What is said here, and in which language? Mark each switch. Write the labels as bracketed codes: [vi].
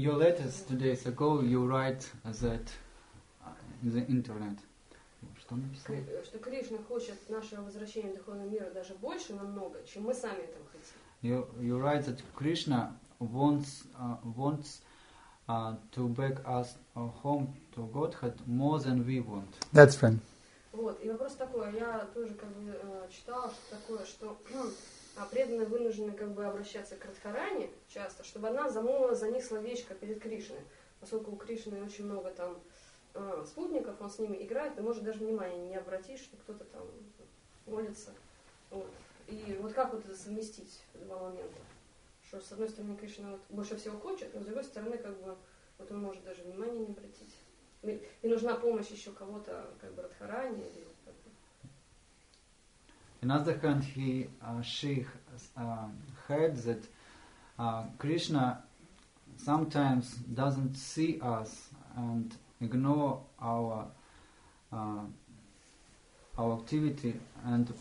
[en] your letters 2 days ago, you write that in the internet. [ru] Что написали? Что Кришна хочет нашего возвращения в духовный мир даже больше намного, чем мы сами этого хотим. [en] You write that Krishna wants to back us home to Godhead more than we want. That's right. [ru] Вот, и вопрос такой, я тоже как бы читала, что такое, что преданные вынуждены как бы обращаться к Радхарани часто, чтобы она замолвила за них словечко перед Кришной, поскольку у Кришны очень много там спутников, он с ними играет, ты можешь даже внимания не обратить, что кто-то там молится. Вот. И вот как вот это совместить, два момента? Что с одной стороны, конечно, вот больше всего хочет, но с другой стороны, как бы, вот он может даже внимания не обратить. И нужна помощь еще кого-то, как бы, Радхарани. Или вот, как бы. [en] In other hand, heard that Krishna sometimes doesn't see us and ignore our activity and